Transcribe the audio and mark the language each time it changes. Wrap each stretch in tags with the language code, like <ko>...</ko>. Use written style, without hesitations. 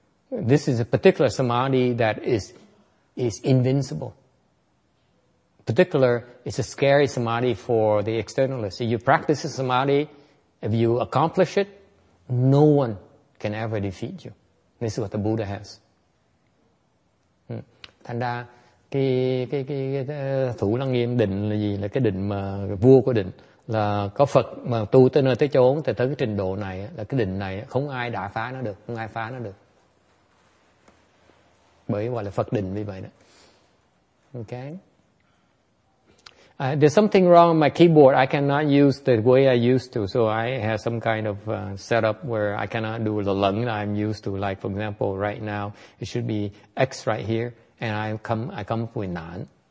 <en>This is a particular samadhi that is invincible. Particular, it's a scary samadhi for the externalist. If you practice a samadhi, if you accomplish it, no one can ever defeat you. This is what the Buddha has.</en> <vi>Thành ra, cái thủ lăng nghiêm định là gì, là cái định mà vua có định là có Phật mà tu tới nơi tới chốn thì tới cái trình độ này là cái định này không ai đả phá nó được, không ai phá nó được, bởi gọi là Phật định như vậy đó.</vi> <en>Okay, there's something wrong with my keyboard. I cannot use the way I used to, so I have some kind of setup where I cannot do the lung that I'm used to. Like for example, right now it should be X right here. And I come up with none.</en>